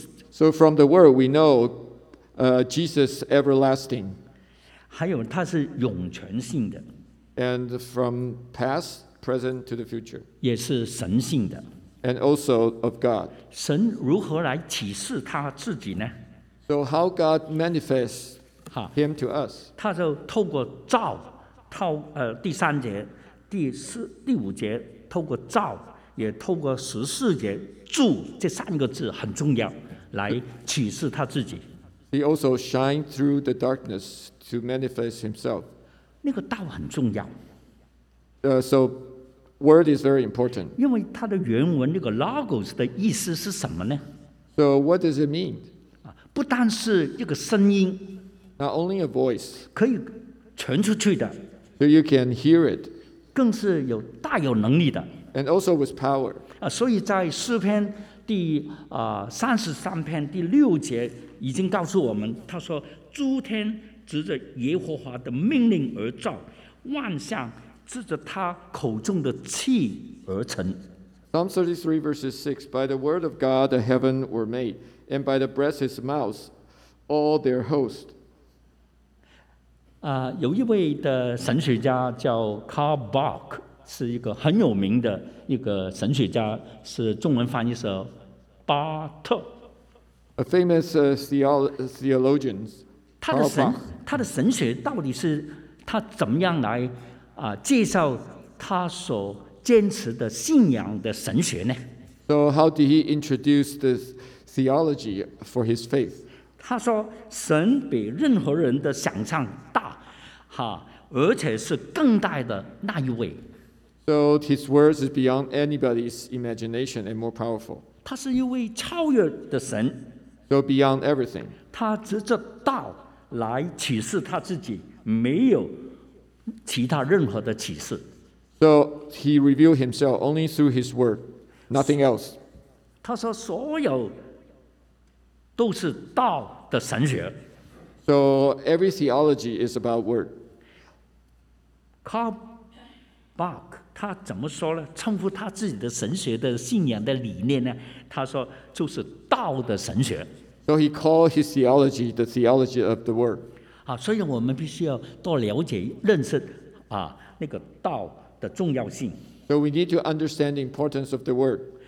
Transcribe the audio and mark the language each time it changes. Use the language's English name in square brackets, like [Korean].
[English] So from the word we know, Jesus everlasting. [Chinese] 还有他是永存性的。 [English] And from past, present to the future. [Chinese] 也是神性的。 [English] And also of God. [Chinese] 神如何来启示他自己呢？ [English] So how God manifests Him to us? [Chinese] 他就透过造。第三节、第五节，透过造，也透过十四节住这三个字很重要，来启示他自己。 [English] He also shined through the darkness to manifest himself. [Chinese] 那个道很重要。 [English] So word is very important. [Chinese] 因为它的原文那个 logos 的意思是什么呢 [English] ？So what does it mean? [Chinese] 不单是一个声音 [English] ，Not only a voice. [Chinese] 可以传出去的。 [English] So you can hear it. [Chinese] 更是有大有能力的。 [English] And also with power. [Chinese] 所以在诗篇第三十三篇第六节已经告诉我们，他说：“诸天执着耶和华的命令而造，万象执着他口中的气而成。” [English] Psalm 33 verses 6: By the word of God the heaven were made, and by the breath of His mouth all their host. [Chinese] 有一位的神学家叫 Karl Barth， 是一个很有名的一个神学家，是中文翻译是巴特。 [English] A famous theologian. [Chinese] 他的神学到底是他怎么样来介绍他所坚持的信仰的神学呢 [English] ？So how did he introduce the theology for his faith？ [Chinese] 他说：“神比任何人的想象。” 而且是更大的那一位。 [English] So his words is beyond anybody's imagination and more powerful. [Chinese] 他是一位超越的神。 [English] So beyond everything. [Chinese] 他藉着道来启示他自己，没有其他任何的启示。 [English] So he revealed himself only through his word, nothing else. [Chinese] 他说所有都是道的神学。 [English] So every theology is about word. [Chinese] Karl Barth 他怎么说呢？称呼他自己的神学的信仰的理念呢？他说就是道的神学。 [English] So he called his theology the theology of the word. [Chinese] 所以我们必须要多了解认识那个道的重要性。 [English] So we need to understand the importance of the word.